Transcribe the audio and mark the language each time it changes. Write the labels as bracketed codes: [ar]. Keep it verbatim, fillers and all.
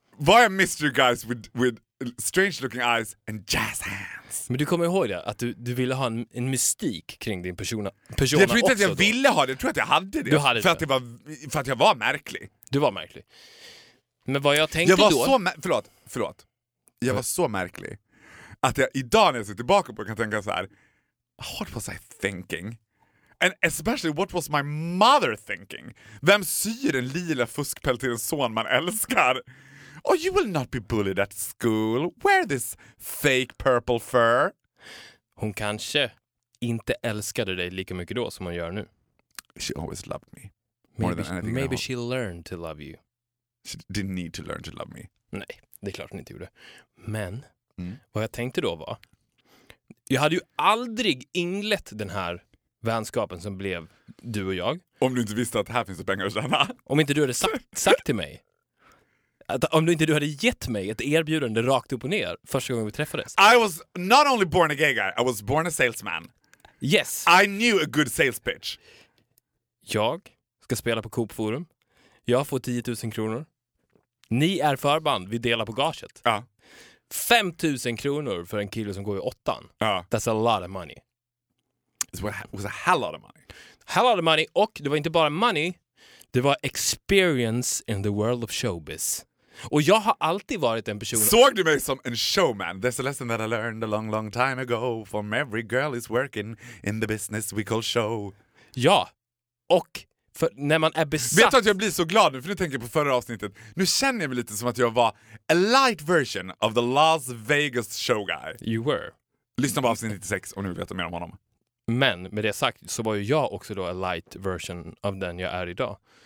[en] Why are mystery guys with, with strange looking eyes and jazz hands? [sv] Men du kommer ihåg det, att du, du ville ha en, en mystik kring din persona, persona jag tror inte också att jag då. ville ha det, jag tror att jag hade det. Du hade för, det. Att det var, för att jag var märklig. Du var märklig. Men vad jag tänkte jag var då... Så mä- förlåt, förlåt. Jag var så märklig att jag idag när jag ser tillbaka på det kan tänka så här: [en] what was I thinking? And especially what was my mother thinking? [sv] Vem syr en lila fuskpäll till en son man älskar? [en] Oh, you will not be bullied at school. Wear this fake purple fur. [sv] Hon kanske inte älskade dig lika mycket då som hon gör nu. [en] She always loved me. More Maybe, than anything maybe else. She learned to love you. She didn't need to learn to love me. [sv] Nej, det är klart hon inte gjorde. Men Mm. vad jag tänkte då var, jag hade ju aldrig inlett den här vänskapen som blev du och jag. Om du inte visste att här finns det pengar att tjäna. Om inte du hade sagt, sagt till mig att, om du inte du hade gett mig ett erbjudande rakt upp och ner första gången vi träffades. [en] I was not only born a gay guy, I was born a salesman. Yes. I knew a good sales pitch. [sv] Jag ska spela på Coop Forum. Jag får tio tusen kronor. Ni är förband, vi delar på gaget. Ja. fem tusen kronor för en kille som går i åttan. Ja. [en] That's a lot of money. It was a hell lot of money. Hell lot of money, [sv] och det var inte bara [en] money. [sv] Det var [en] experience in the world of showbiz. [sv] Och jag har alltid varit en person... Såg du mig som en showman? [en] There's a lesson that I learned a long, long time ago from every girl is working in the business we call show. [sv] Ja, och... För när man är besatt... Vet du att jag blir så glad nu? För nu tänker jag på förra avsnittet. Nu känner jag mig lite som att jag var [en] a light version of the Las Vegas show guy. You were. [sv] Lyssna på avsnitt nittiosex och nu vet du mer om honom. Men med det sagt så var ju jag också då [en] a light version [sv] av den jag är idag.